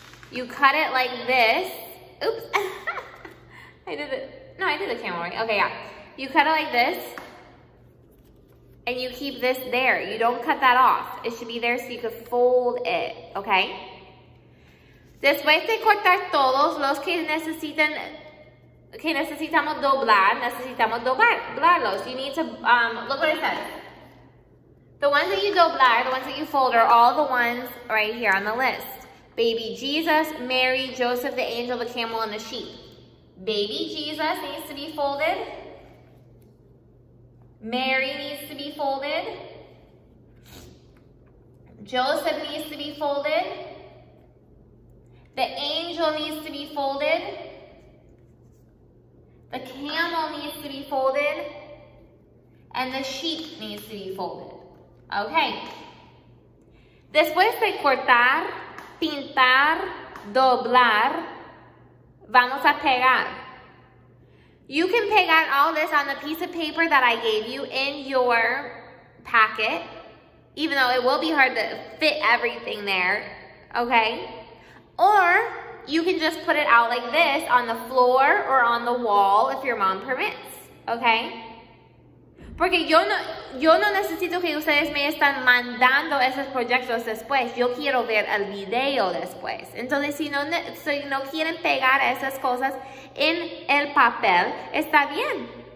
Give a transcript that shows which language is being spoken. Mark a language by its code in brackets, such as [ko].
[en] You cut it like this. Oops. I did the camel right. Okay, yeah. You cut it like this, and you keep this there. You don't cut that off. It should be there so you could fold it, okay? [es] Después de cortar todos los que necesitamos doblar, necesitamos doblarlos. [en] You need to, look what it says. The ones that you doblar, the ones that you fold, are all the ones right here on the list. Baby Jesus, Mary, Joseph, the angel, the camel, and the sheep. Baby Jesus needs to be folded. Mary needs to be folded. Joseph needs to be folded. The angel needs to be folded. The camel needs to be folded. And the sheep needs to be folded. Okay. [es] Después de cortar, pintar, doblar, vamos a pegar. [en] You can pegar all this on the piece of paper that I gave you in your packet, even though it will be hard to fit everything there, okay? Or you can just put it out like this on the floor or on the wall if your mom permits, okay? [es] Porque yo no necesito que ustedes me están mandando esos proyectos después. Yo quiero ver el video después. Entonces, si no quieren pegar esas cosas en el papel, está bien.